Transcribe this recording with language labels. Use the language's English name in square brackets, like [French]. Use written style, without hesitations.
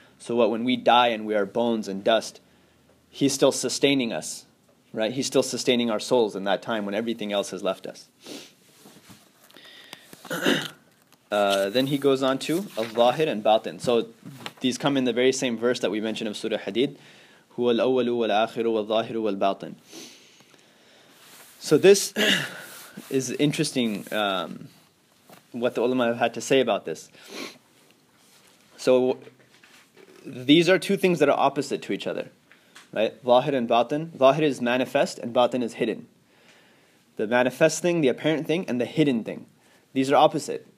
[English] So what when we die and we are bones and dust, he's still sustaining us, right? He's still sustaining our souls in that time when everything else has left us. Then he goes on to al-zahir and batin. So these come in the very same verse that we mentioned of Surah Hadid. [Arabic] هو الأول والآخر والظاهر والباطن. [English] So this is interesting what the ulama have had to say about this. So these are two things that are opposite to each other, right? Zahir and batin. Zahir is manifest and batin is hidden. The manifest thing, the apparent thing, and the hidden thing. These are opposite.